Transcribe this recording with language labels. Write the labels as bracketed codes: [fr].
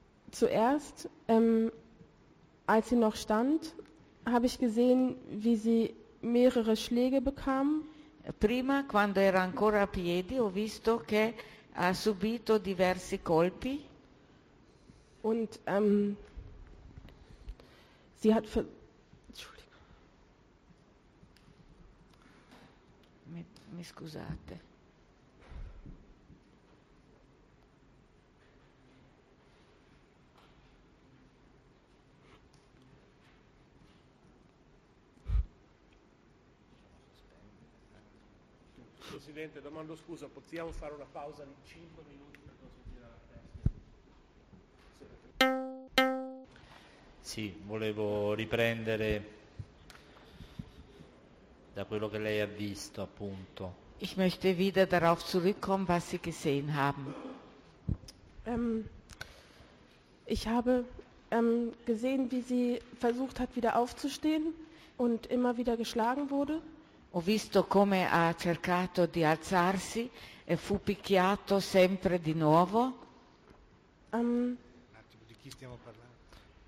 [de] Zuerst, als sie noch stand, habe ich gesehen, wie sie mehrere Schläge bekam. [it] Prima, quando era ancora a piedi, ho visto che ha subito diversi colpi. [de] Und sie hat ver... Entschuldigung. [it] Mi scusate. Presidente, domando scusa, possiamo fare una pausa di 5 minuti per consentire la testa? Sì, volevo riprendere da quello che lei ha visto, appunto. [de] Ich möchte wieder darauf zurückkommen, was Sie gesehen haben. Ich habe gesehen, wie sie versucht hat, wieder aufzustehen und immer wieder geschlagen wurde. [it] Ho visto come ha cercato di alzarsi e fu picchiato sempre di nuovo. Un attimo, di chi stiamo parlando?